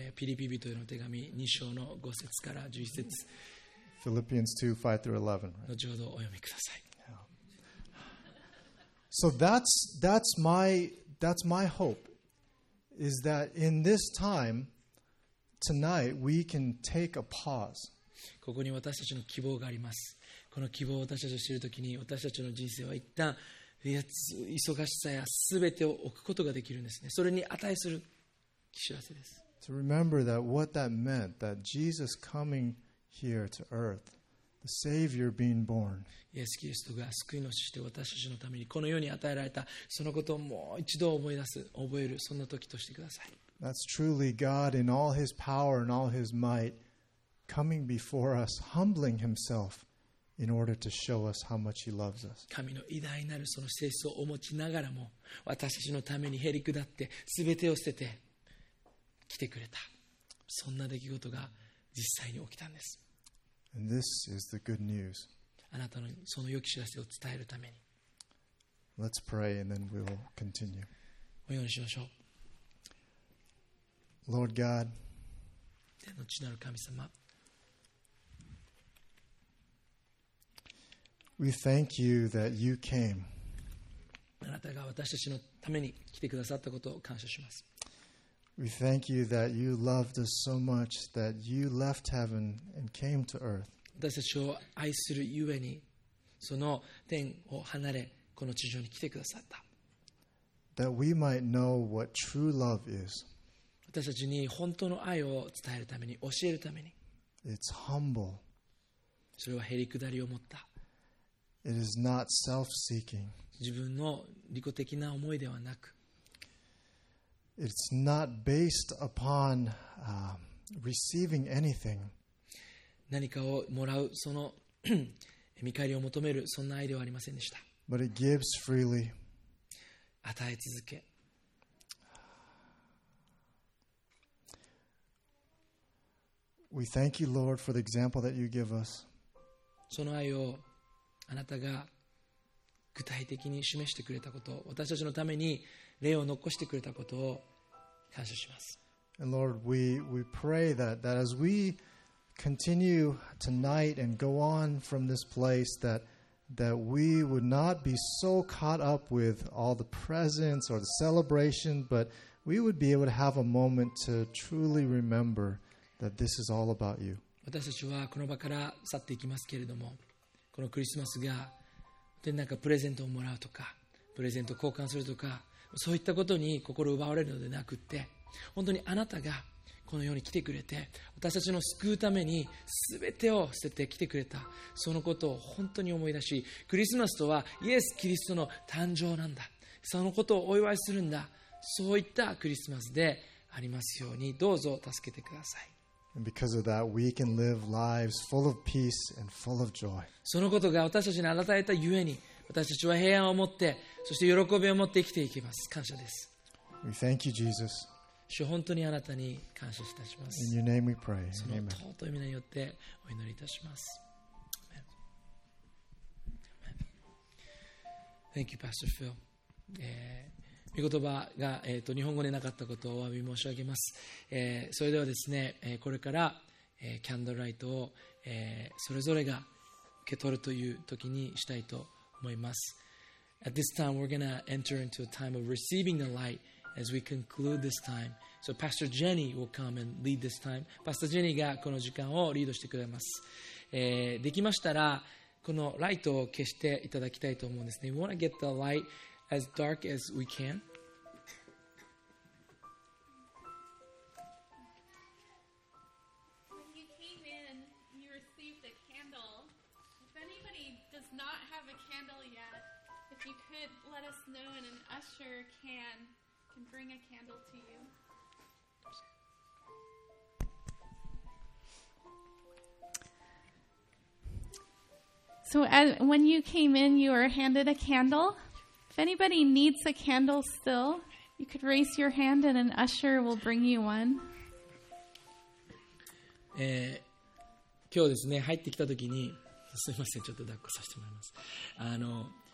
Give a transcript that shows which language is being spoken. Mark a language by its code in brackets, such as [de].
[ja] ピリピ人への手紙2章の5節から11節。 [en] Philippians 2, 5 through 11. [ja] 後ほどお読みください。 [en] So that's my hope, is that in this time, tonight, we can take a pause. [ja] ここに私たちの希望があります。この希望を私たちが知るときに私たちの人生は一旦忙しさやすべてを置くことができるんですね。それに値する知らせです。 [en] To remember that what that meant, that Jesus coming here to earth, the Savior being born. [ja] イエス・キリストが救い主として私たちのためにこの世に与えられた、そのことをもう一度思い出す、覚える、そんな時としてください。 [en] That's truly God in all his power and all his might coming before us, humbling himself. In order to show us how much He loves us. [ja] 神の偉大なるその性質を持ちながらも、私たちのためにへり下って、すべてを捨てて来てくれた。そんな出来事が実際に起きたんです。 [en] And this is the good news. [ja] あなたのその良き知らせを伝えるために。 [en] Let's pray and then we'll continue. [ja] お祈りしましょう。 [en] Lord God. [ja] 天の父なる神様。 [en] We thank you that you came. [ja] あなたが私たちのために来てくださったことを感謝します。 [en] We thank you that you loved us so much that you left heaven and came to earth. [ja] 私たちを愛するゆえにその天を離れこの地上に来てくださった。 [en] That we might know what true love is. [ja] 私たちに本当の愛を伝えるために教えるために。 [en] It's humble. [ja] それはへりくだりを持った。 [en] It is not self-seeking. [ja] 自分の利己的な思いではなく、 [en] It's not based upon, receiving anything. [ja] 何かをもらうその見返りを求めるそんな愛ではありませんでした。 [en] But it gives freely. [ja] 与え続け。 [en] We thank you, Lord, for the example that you give us. [ja] その愛をあなたが具体的に示してくれたこと、私たちのために例を残してくれたことを感謝します。 [en] And Lord, we pray that as we continue tonight and go on from this place, that we would not be so caught up with all the presents or the celebration, but we would be able to have a moment to truly remember that this is all about you. [ja] 私たちはこの場から去っていきますけれども、このクリスマスが何かプレゼントをもらうとか、プレゼントを交換するとか、そういったことに心を奪われるのではなくって、本当にあなたがこの世に来てくれて、私たちの救うために全てを捨てて来てくれた、そのことを本当に思い出し、クリスマスとはイエス・キリストの誕生なんだ、そのことをお祝いするんだ、そういったクリスマスでありますように、どうぞ助けてください。 [en] And because of that, we can live lives full of peace and full of joy. [ja] そのことが私たちに与えたゆえに、私たちは平安を持って、そして喜びを持って生きていきます。感謝です。 [en] We thank you, Jesus. [ja] 主、本当にあなたに感謝いたします。 [en] In your name we pray. [ja] その尊い名によってお祈りいたします。 [en] Amen. Thank you, Pastor Phil. [ja] 御言葉が、日本語でなかったことをお詫び申し上げます、それではですね、これから、キャンドルライトを、それぞれが受け取るという時にしたいと思います。 [en] At this time we're going to enter into a time of receiving the light as we conclude this time. So Pastor Jenny will come and lead this time. [ja] Pastor Jenny がこの時間をリードしてくれます、できましたらこのライトを消していただきたいと思うんですね。 [en] We want to get the lightAs dark as we can. When you came in, you received a candle. If anybody does not have a candle yet, if you could let us know and an usher can bring a candle to you. So when you came in, you were handed a candle. If anybody needs a candle still, you could raise your hand and an usher will bring you one. [ja] 今日ですね、入ってきたときに、すみません、ちょっと抱っこさせてもらいます。